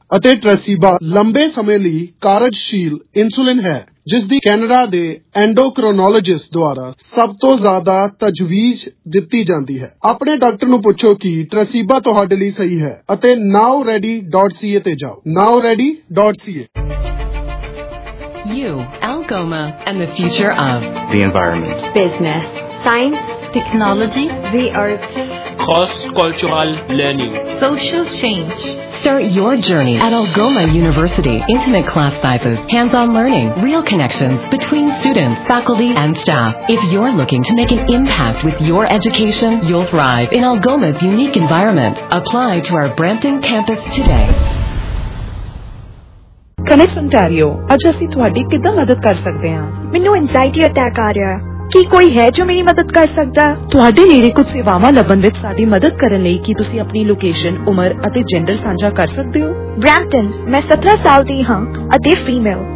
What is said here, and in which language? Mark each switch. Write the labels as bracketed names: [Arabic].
[Punjabi] ਅਤੇ ਟ੍ਰੈਸੀਬਾ ਲੰਬੇ ਸਮੇਂ ਲਈ ਕਾਰਜਸ਼ੀਲ ਇਨਸੁਲਿਨ ਹੈ ਜਿਸ ਦੀ ਕੈਨੇਡਾ ਦੇ ਐਂਡੋਕ੍ਰੋਨੋਲੋਜਿਸਟ ਦੁਆਰਾ ਸਭ ਤੋਂ ਜ਼ਿਆਦਾ ਤਜਵੀਜ਼ ਦਿੱਤੀ ਜਾਂਦੀ ਹੈ। ਆਪਣੇ ਡਾਕਟਰ ਨੂੰ ਪੁੱਛੋ ਕਿ ਟ੍ਰੈਸੀਬਾ ਤੁਹਾਡੇ ਲਈ ਸਹੀ ਹੈ ਅਤੇ nowready.ca ਤੇ ਜਾਓ। [English] nowready.ca You, Algoma, and the future of the environment, business, science, technology, the arts, cross-cultural learning, social change. Start your journey at Algoma University. Intimate class sizes, hands-on learning, real connections between students, faculty, and staff. If you're looking to make an impact with your education, you'll thrive in Algoma's unique environment. Apply to our Brampton campus today. [Punjabi] Connect Ontario, ਅੱਜ ਅਸੀਂ ਤੁਹਾਡੀ ਕਿੱਦਾਂ ਮਦਦ ਕਰ ਸਕਦੇ ਹਾਂ? ਮੈਨੂੰ anxiety attack ਆ ਰਿਹਾ, ਕੀ ਕੋਈ ਹੈ ਜੋ ਮੇਰੀ ਮਦਦ ਕਰ ਸਕਦਾ? ਤੁਹਾਡੇ ਨੇੜੇ ਕੁਝ ਸੇਵਾਵਾਂ ਲੱਭਣ ਵਿੱਚ ਸਾਡੀ ਮਦਦ ਕਰਨ ਲਈ ਕੀ ਤੁਸੀਂ ਆਪਣੀ ਲੋਕੇਸ਼ਨ, ਉਮਰ ਅਤੇ ਜੈਂਡਰ ਸਾਂਝਾ ਕਰ ਸਕਦੇ ਹੋ? ਬ੍ਰੈਂਪਟਨ, ਮੈਂ 17 ਸਾਲ ਦੀ ਹਾਂ ਅਤੇ ਫੀਮੇਲ।